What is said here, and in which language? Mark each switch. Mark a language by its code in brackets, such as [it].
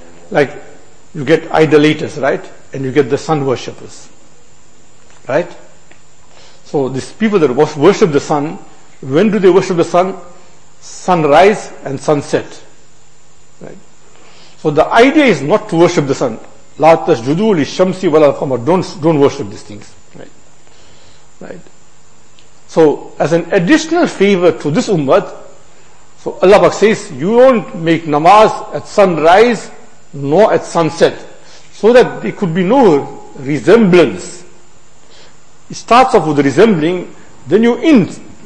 [en] Like, you get idolaters, right? And you get the sun worshippers. Right? So, these people that worship the sun, when do they worship the sun? Sunrise and sunset. Right. So the idea is not to worship the sun. [ar] لَا تَشْجُدُوا لِشَّمْسِ وَلَا الْقَمَرِ [en] Don't worship these things. Right. Right. So as an additional favor to this ummah, so Allah Pak says, you don't make namaz at sunrise nor at sunset. So that there could be no resemblance. It starts off with resembling, then you end.